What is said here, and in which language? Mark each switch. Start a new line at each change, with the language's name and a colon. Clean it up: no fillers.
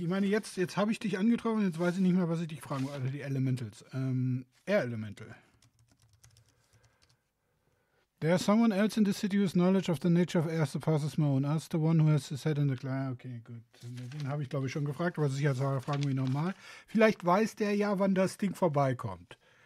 German: Ich meine, jetzt habe ich dich angetroffen, jetzt weiß ich nicht mehr, was ich dich fragen wollte. Also die Elementals. Air Elemental.
English: There is someone else in the city whose knowledge of the nature of air surpasses my own. Ask the one who has his head in the clouds.
German: Okay, gut. Den habe ich, glaube ich, schon gefragt, aber sicher fragen wir ihn nochmal. Vielleicht weiß der ja, wann das Ding vorbeikommt.